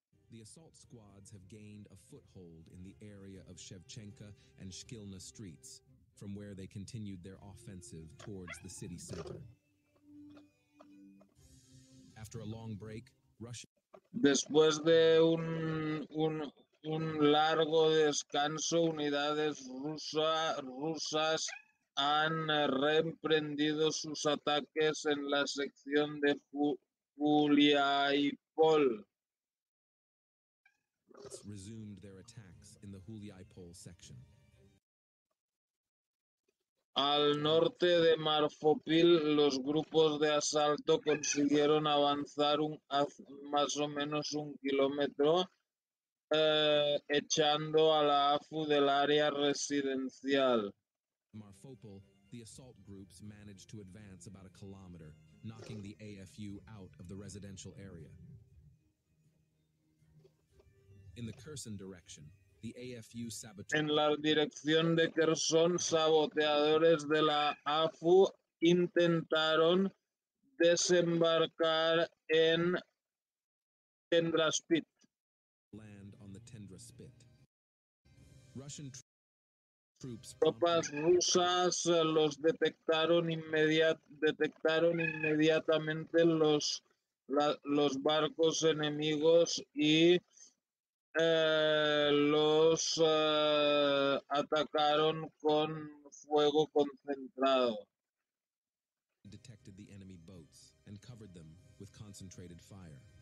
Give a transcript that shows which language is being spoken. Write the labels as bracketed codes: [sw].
[en] The assault squads have gained a foothold in the area of Shevchenka and Shkilna streets, from where they continued their offensive towards the city center. After a long break, Russia. [es] Después de un largo descanso, unidades rusas han reemprendido sus ataques en la sección de Huliaipol. [en] Resumed their attacks in the Huliaipol section. [es] Al norte de Marfopil, los grupos de asalto consiguieron avanzar más o menos un kilómetro, echando a la AFU del área residencial. [en] Marfopil, the assault groups managed to advance about a kilometer, knocking the AFU out of the residential area. In the Kherson direction, The AFU saboteurs. [es] En la dirección de Kherson, saboteadores de la AFU intentaron desembarcar en Tendraspit. [en] Land on the Tendraspit. Russian troops. [es] Tropas rusas los detectaron inmediatamente los barcos enemigos y los atacaron con fuego concentrado. [en] Detected the enemy boats and covered them with concentrated fire.